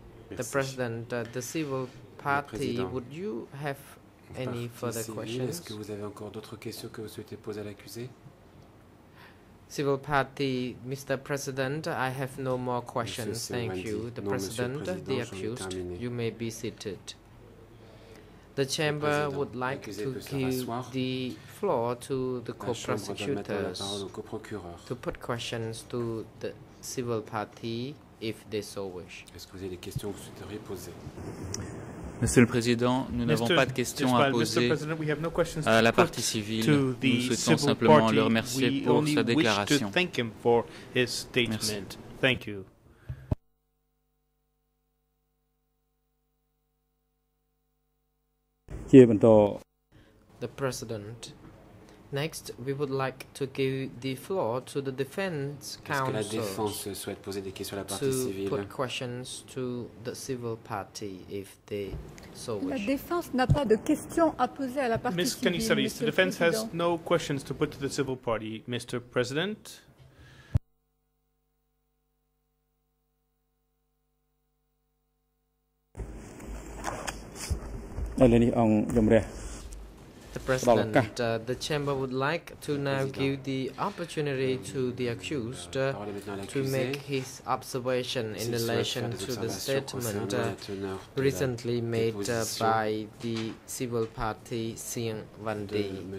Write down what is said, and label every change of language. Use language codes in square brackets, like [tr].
[en] The President, the civil party, would you have any further questions? [fr] Est-ce que vous avez encore d'autres questions que vous souhaitez poser à l'accusé? [en] Civil party, Mr. President, I have no more questions. Thank you. The President, the accused, you may be seated. The chamber would like to give the floor to the co-prosecutors to put questions to the civil party if they so wish. [fr] Est-ce que vous avez des questions que vous souhaiteriez poser? Monsieur le Président, nous n'avons pas de questions à poser à la partie civile. Nous souhaitons simplement le remercier pour sa déclaration. [en] Merci. Thank you. The President. Next, we would like to give the floor to the Defense Council to put questions to the civil party if they so wish. [fr] La Défense n'a pas de questions à poser à la partie civile. [en] Ms. Canisaris, the Defense has no questions to put to the civil party, Mr. President. The President, the chamber would like to now give the opportunity to the accused to make his observation in relation to the statement recently made by the civil party Seang Vandy.